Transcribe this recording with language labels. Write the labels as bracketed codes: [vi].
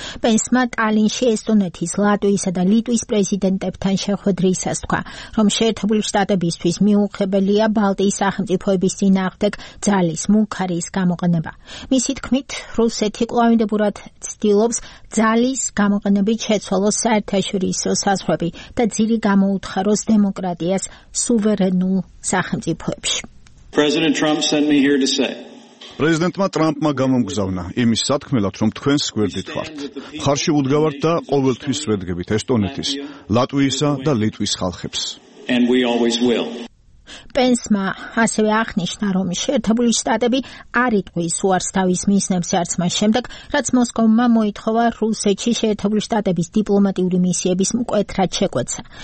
[ka] პენსმა ტალინში ესტონეთის, ლატვიისა და ლიტვის პრეზიდენტებთან შეხვედრისას თქვა, რომ შეერთებული შტატებისთვის მიუღებელია ბალტიის სახელმწიფოების წინააღმდეგ ძალის მუქარის გამოყენება. მისი თქმით, რუსეთი კვლავინდებურად ცდილობს ძალის გამოყენებით შეცვალოს საერთაშორისო საზღვრები და ძირი გამოუთხაროს დემოკრატიას სუვერენულ სახელმწიფოებში. [en] President Trump sent me here to say. [ka] პრეზიდენტმა ტრამპმა გამომგზავნა იმის სათქმელად, რომ თქვენს გვერდით ვართ. ხარში ვუდგავართ და ყოველთვის ვედგებით ესტონეთის, ლატვიისა და ლიტვის ხალხებს. [en] And we always will. [ka] პენსმა ასევე აღნიშნა, რომ შეერთებული შტატები არ იტყვის უარს თავის მიზნებზე არც მას შემდეგ, რაც მოსკოვმა მოითხოვა რუსეთში შეერთებული შტატების დიპლომატიური მისიების მკვეთრად შეკვეცა.